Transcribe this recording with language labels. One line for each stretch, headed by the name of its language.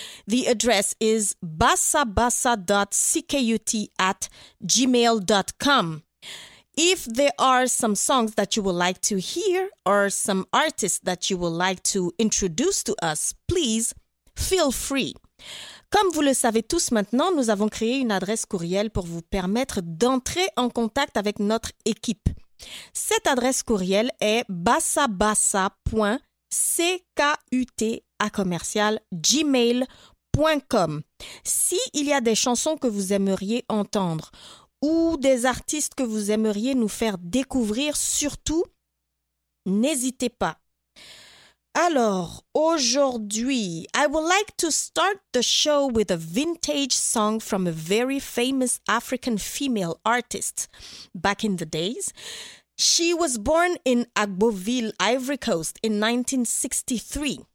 English: The address is bassabassa.ckut@gmail.com. If there are some songs that you would like to hear or some artists that you would like to introduce to us, please feel free.
French: Comme vous le savez tous maintenant, nous avons créé une adresse courriel pour vous permettre d'entrer en contact avec notre équipe. Cette adresse courriel est bassabassa.ckut@gmail.com. S'il y a des chansons que vous aimeriez entendre ou des artistes que vous aimeriez nous faire découvrir, surtout, N'hésitez pas. Alors, aujourd'hui,
English: I would like to start the show with a vintage song from a very famous African female artist. Back in the days, she was born in Agboville, Ivory Coast in 1963.